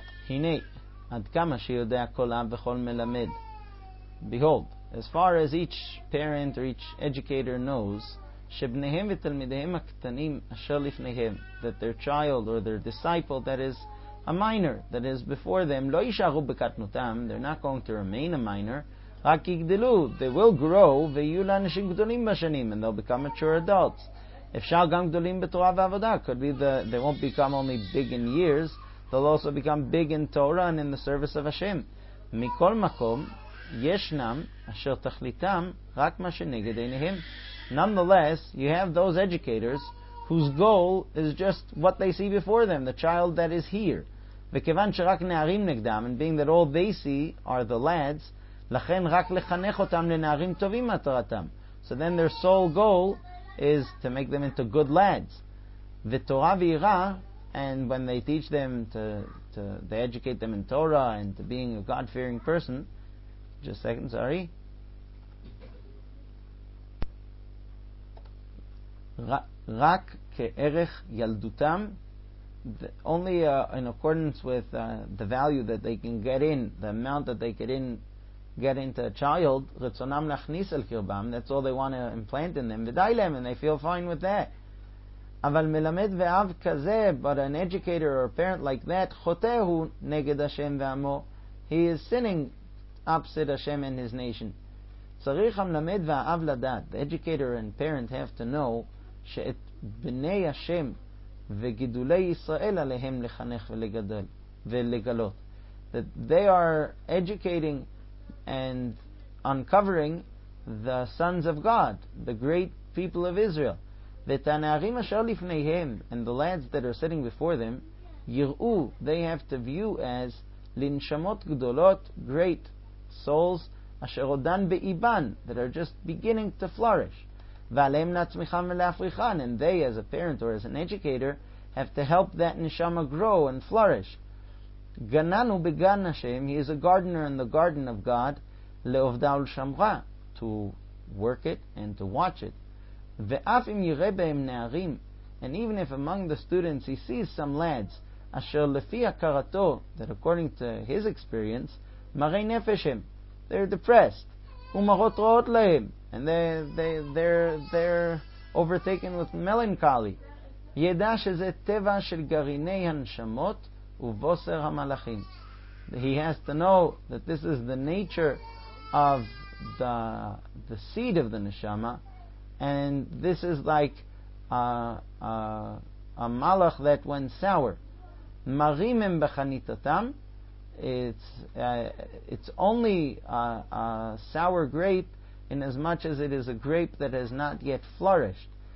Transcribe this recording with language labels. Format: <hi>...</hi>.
<he>הנה, עד כמה שיודע כל אב וכל מלמד.</he> <en>Behold, as far as each parent or each educator knows,</en> <he>שבניהם ותלמידיהם הקטנים אשר לפניהם,</he> <en>that their child or their disciple, that is a minor, that is before them,</en> <he>לא יישארו בקטנותם,</he> <en>they're not going to remain a minor,</en> <he>רק יגדלו,</he> <en>they will grow,</en> <he>ויהיו לאנשים גדולים בשנים,</he> <en>and they'll become mature adults.</en> <he>אפשר גם גדולים בתורה ועבודה,</he> <en>could be the, they won't become only big in years, they'll also become big in Torah and in the service of Hashem.</en> <he>מכל מקום, ישנם אשר תכליתם רק מה שנגד עיניהם.</he> <en>Nonetheless, you have those educators whose goal is just what they see before them, the child that is here.</en> <he>וכיוון שרק נערים נגדם,</he> <en>and being that all they see are the lads,</en> <he>לכן רק לחנך אותם לנערים טובים מטרתם.</he> <en>So then their sole goal is to make them into good lads.</en> <he>ותורה ויראה,</he> <en>and when they teach them they educate them in Torah and to being a God-fearing person, just a second, sorry.</en> <he>רק כערך ילדותם,</he> <en>only in accordance with the value that they can get in, the amount that they can get into a child,</en> <he>רצונם להכניס אל קרבם,</he> <en>that's all they want to implant in them,</en> <he>ודי להם,</he> <en>and they feel fine with that.</en> <he>אבל מלמד ואב כזה,</he> <en>but an educator or a parent like that,</en> <he>חוטא הוא נגד השם ועמו,</he> <en>he is sinning opposite Hashem and his nation.</en> <he>צריך המלמד והאב לדעת,</he> <en>the educator and parent have to know,</en> <he>שאת בני השם וגידולי ישראל עליהם לחנך ולגדל ולגלות.</he> <en>That they are educating and uncovering the sons of God, the great people of Israel.</en> <he>ואת הנערים אשר לפניהם,</he> <en>and the lads that are sitting before them,</en> <he>יראו,</he> <en>they have to view as</en> <he>לנשמות גדולות,</he> <en>great souls,</en> <he>אשר עודן באיבן,</he> <en>that are just beginning to flourish.</en> <he>ועליהם להצמיחם ולהפריחן,</he> <en>and they, as a parent or as an educator, have to help that neshama grow and flourish.</en> <he>גנן הוא בגן השם,</he> <en>he is a gardener in the garden of God,</en> <he>לעובדה ולשמרה,</he> <en>to work it and to watch it.</en> <he>ואף אם יראה בהם נערים,</he> <en>and even if among the students he sees some lads,</en> <he>אשר לפי הכרתו,</he> <en>that according to his experience,</en> <he>מראי נפש הם,</he> <en>they're depressed,</en> <he>ומראות רעות להם,</he> <en>and they're overtaken with melancholy.</en> <he>ידע שזה טבע של גרעיני הנשמות ובוסר המלאכים.</he> <en>He has to know that this is the nature of the seed of the neshama, and this is like a malach that went sour.</en> <he>Marim hem bechanitatam,</he> <en>it's only a sour grape in as much as it is a grape that has not yet flourished.</en>